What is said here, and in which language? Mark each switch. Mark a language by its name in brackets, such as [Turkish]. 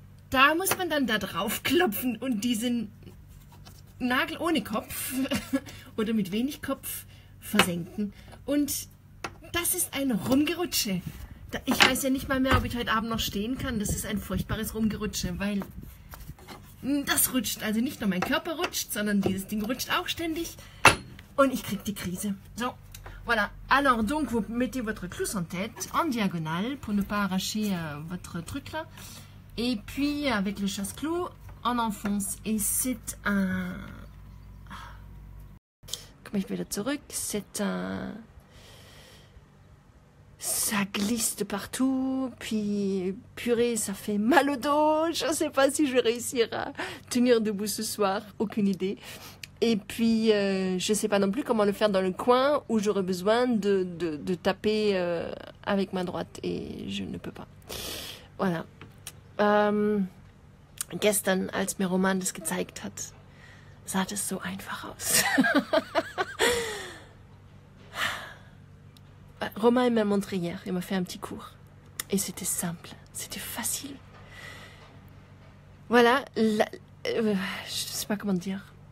[German] Da muss man dann da drauf klopfen und diesen Nagel ohne Kopf oder mit wenig Kopf versenken. Und das ist ein Rumgerutsche. Ich weiß ja nicht mal mehr, ob ich heute Abend noch stehen kann. Das ist ein furchtbares Rumgerutsche, weil das rutscht. Also nicht nur mein Körper rutscht, sondern dieses Ding rutscht auch ständig. Und ich krieg die Krise. So, voilà. [French] Alors, donc, vous mettez votre clou sans tête en diagonale pour ne pas arracher votre truc là. Et puis, avec le chasse-clou, en enfonce et c'est un... [German] Komme ich wieder zurück? [French] C'est un... Ça glisse de partout, puis purée, ça fait mal au dos. Je sais pas si je vais réussir à tenir debout ce soir, aucune idée. Et puis, je sais pas non plus comment le faire dans le coin où j'aurais besoin de taper avec main droite et je ne peux pas. Voilà. [German] Gestern, als mir Roman das gezeigt hat, sah das so einfach aus. [French] Romain m'a montré hier, il m'a fait un petit cours. Et c'était simple, c'était facile. Voilà, je ne sais pas comment dire.